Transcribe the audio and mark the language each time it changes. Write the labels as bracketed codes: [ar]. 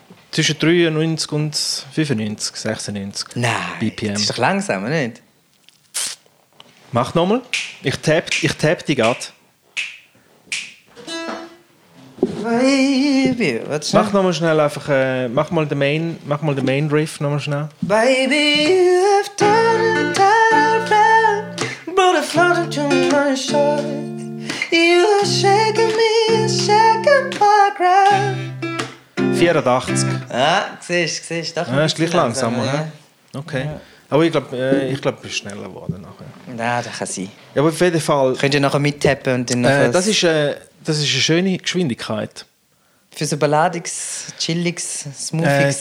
[de] Zwischen 93 und 95, 96. Nein, BPM. Das ist doch langsam, nicht? Mach nochmal. Ich tapp die gerade. [en] Baby, what's [de] mach nochmal schnell einfach. Mach mal den Main Riff nochmal schnell. [en] Baby, you have turned the tide around, brought a flood to my shore. You have shaken me and shaken my ground. [de] 84. Ah, siehst, doch. Ja, ist gleich langsam, oder? Ja. Okay. Ja. Aber ich glaube, du bist schneller geworden nachher. Nein, ja, das kann sein. Ja, aber auf jeden Fall. Könnt ihr nachher mittappen und dann das ist eine schöne Geschwindigkeit. Für so Balladigs, Chilligs, Smoothies.